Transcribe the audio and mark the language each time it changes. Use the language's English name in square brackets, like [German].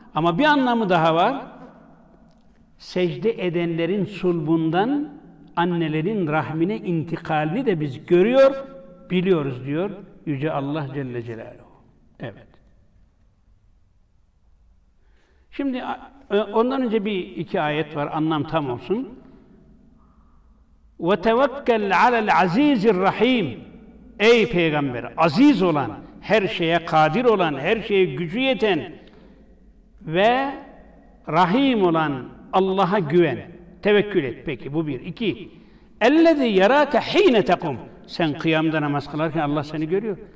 [Turkish] Ama bir anlamı daha var. Secde edenlerin sulbundan annelerin rahmine intikalini de biz görüyor, biliyoruz diyor Yüce Allah Celle Celaluhu. Evet. Şimdi ondan önce bir iki ayet var, anlam tam olsun. [Arabic] وَتَوَكَّلْ عَلَى الْعَز۪يزِ الرَّح۪يمِ [Turkish] Ey Peygamber! Aziz olan, her şeye kadir olan, her şeye gücü yeten ve rahim olan Allah'a güven. Tevekkül et. Peki bu bir. İki. [Arabic] اَلَّذِي يَرَاكَ ح۪ينَ تَقُمْ [Turkish] Sen kıyamda namaz kılarken Allah seni görüyor.